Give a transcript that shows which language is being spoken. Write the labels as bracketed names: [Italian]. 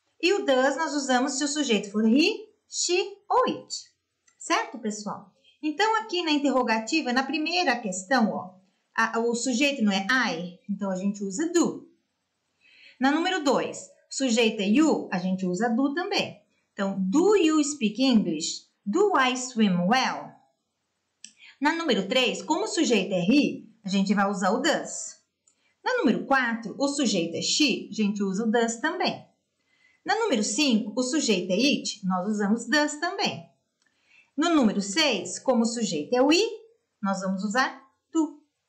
[Portuguese] E o does nós usamos se o sujeito for he, she ou it. Certo, pessoal? Então, aqui na interrogativa, na primeira questão, ó, o sujeito não é I, então a gente usa do. Na número 2, o sujeito é you, a gente usa do também. [English] Então, do you speak English? Do I swim well? [Portuguese] Na número 3, como o sujeito é he, a gente vai usar o does. Na número 4, o sujeito é she, a gente usa o does também. Na número 5, o sujeito é it, nós usamos does também. No número 6, como o sujeito é we, nós vamos usar do.